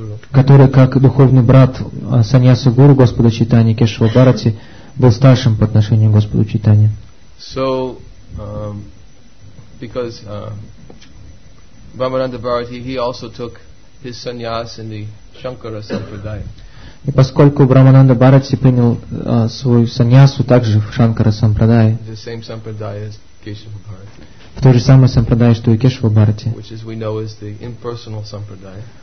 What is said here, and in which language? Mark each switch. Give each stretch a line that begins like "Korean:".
Russian: Который как духовный брат саньяса гуру Господа Чайтаньи Кешава Бхарати был старшим по отношению к Господу Чайтанье.
English: So, because Brahmananda Bharati, he also took his sannyas in the Shankara Sampradaya.
Russian: И поскольку Брахмананда Бхарати принял свою саньясу также в Шанкара Сампрадае.
English: The same Sampradaya as Кешава Бхарати.
Russian: В той же самой сампрадае, что и Кешава Бхарати,
English: which as we know is the impersonal sampradaya,